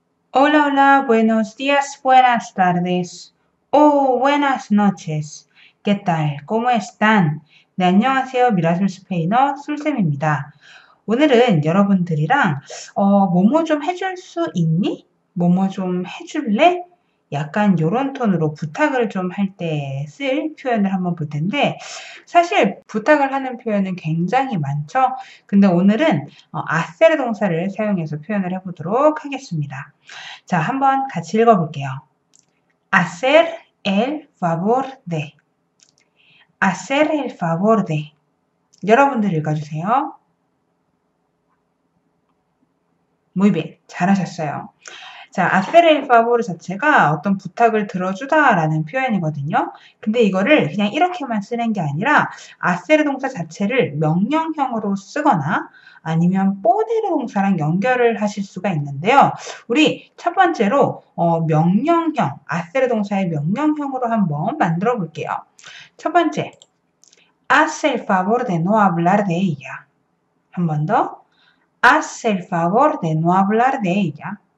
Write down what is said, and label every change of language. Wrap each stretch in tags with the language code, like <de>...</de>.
<es>Hola, hola, buenos días, buenas tardes o buenas noches. ¿Qué tal? ¿Cómo están?</es> <ko>네, 안녕하세요. 미라클 스페인어 술쌤입니다. 오늘은 여러분들이랑 뭐뭐 좀 해줄 수 있니? 뭐뭐 좀 해줄래? 약간 요런 톤으로 부탁을 좀할때쓸 표현을 한번 볼 텐데, 사실 부탁을 하는 표현은 굉장히 많죠. 근데 오늘은 아세레 동사를 사용해서 표현을 해보도록 하겠습니다. 자, 한번 같이 읽어볼게요.</ko> <es>Hacer el favor de. Hacer el favor de.</es> <ko>여러분들 읽어주세요.</ko> <es>Muy bien.</es> <ko>잘하셨어요. 자, hacer el favor 자체가 어떤 부탁을 들어주다라는 표현이거든요. 근데 이거를 그냥 이렇게만 쓰는 게 아니라 hacer 동사 자체를 명령형으로 쓰거나 아니면 poder 동사랑 연결을 하실 수가 있는데요. 우리 첫 번째로 명령형, hacer 동사의 명령형으로 한번 만들어 볼게요. 첫 번째,</ko> <es>hace el favor de no hablar de ella.</es> <ko>한번 더,</ko> <es>hace el favor de no hablar de ella.</es>